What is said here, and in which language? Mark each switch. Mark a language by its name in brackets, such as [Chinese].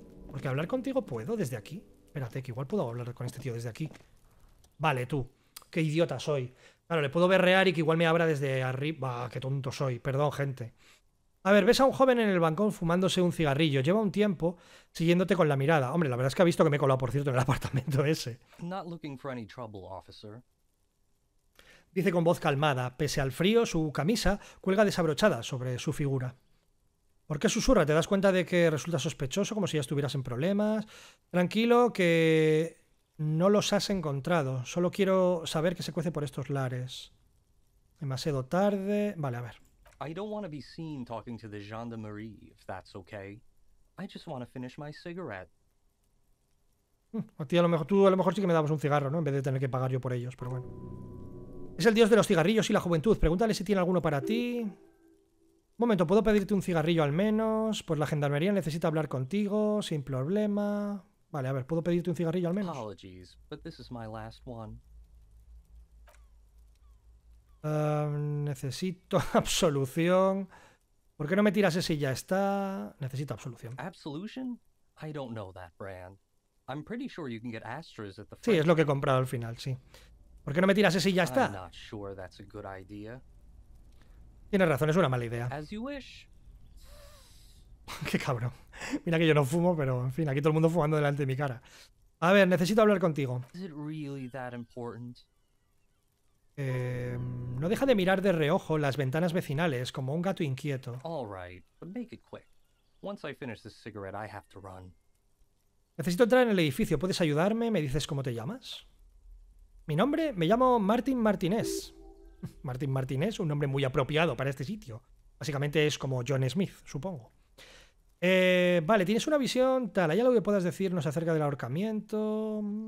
[Spanish] Porque hablar contigo puedo desde aquí. Espérate, que igual puedo hablar con este tío desde aquí. Vale, tú. Qué idiota soy. Claro, le puedo berrear y que igual me abra desde arriba. Bah, qué tonto soy. Perdón, gente. A ver, ves a un joven en el balcón fumándose un cigarrillo. Lleva un tiempo siguiéndote con la mirada. Hombre, la verdad es que ha visto que me he colado, por cierto, en el apartamento ese. [English] Not looking for any trouble, officer. [Spanish] Dice con voz calmada. Pese al frío, su camisa cuelga desabrochada sobre su figura. ¿Por qué susurra? ¿Te das cuenta de que resulta sospechoso, como si ya estuvieras en problemas? Tranquilo, que no los has encontrado. Solo quiero saber qué se cuece por estos lares. Demasiado tarde. Vale, a ver. [English] I don't want to be seen talking to the gendarmerie, if that's okay. I just want to finish my cigarette. [Spanish] A ti a lo mejor, tú a lo mejor sí que me dabas un cigarro, ¿no? En vez de tener que pagar yo por ellos, pero bueno. Es el dios de los cigarrillos y la juventud. Pregúntale si tiene alguno para ti. Un momento, ¿puedo pedirte un cigarrillo al menos? Pues la gendarmería necesita hablar contigo, sin problema. Vale, a ver, ¿puedo pedirte un cigarrillo al menos? [English] Apologies, but this is my last one. [Spanish] Necesito absolución. ¿Por qué no me tiras ese y ya está? Necesito absolución. [English] Absolution? I don't know that brand. I'm pretty sure you can get Astra's at the front. [Spanish] Sí, es lo que he comprado al final, sí. ¿Por qué no me tiras ese y ya está? [English] I'm not sure that's a good idea. [Spanish] Tienes razón, es una mala idea. [English] As you wish. [Spanish] Qué cabrón. Mira que yo no fumo, pero en fin, aquí todo el mundo fumando delante de mi cara. A ver, necesito hablar contigo. [English] Is it really that important? [Spanish] No deja de mirar de reojo las ventanas vecinales como un gato inquieto. [English] All right, but make it quick. Once I finish this cigarette, I have to run. [Spanish] Necesito entrar en el edificio. ¿Puedes ayudarme? ¿Me dices cómo te llamas? ¿Mi nombre? Me llamo Martin Martinez. Martin Martinez, un nombre muy apropiado para este sitio. Básicamente es como John Smith, supongo. Vale, tienes una visión tal. ¿Hay algo que puedas decirnos acerca del ahorcamiento?